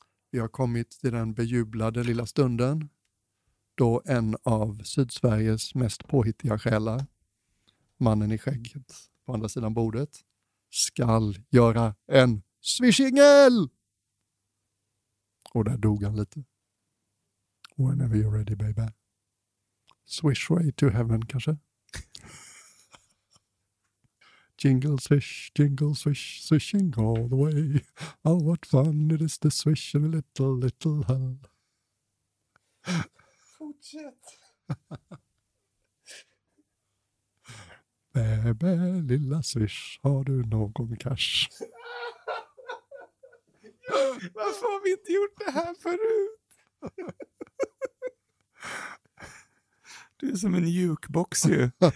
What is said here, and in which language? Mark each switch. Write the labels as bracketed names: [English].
[Swedish] Vi har kommit till den bejublade lilla stunden då en av Sydsveriges mest påhittiga själar, mannen i skägget på andra sidan bordet, ska göra en swishingel! Och där dog han lite. [English] Whenever you're ready, baby. Swish way to heaven, kanske? Jingle swish, jingle swish, swishing all the way. Oh, what fun it is to swish in a little, little hell. [Swedish] Fortsätt. Bebe, lilla swish, har du någon cash? Varför har vi inte gjort det här förut? Du är som en jukebox ju.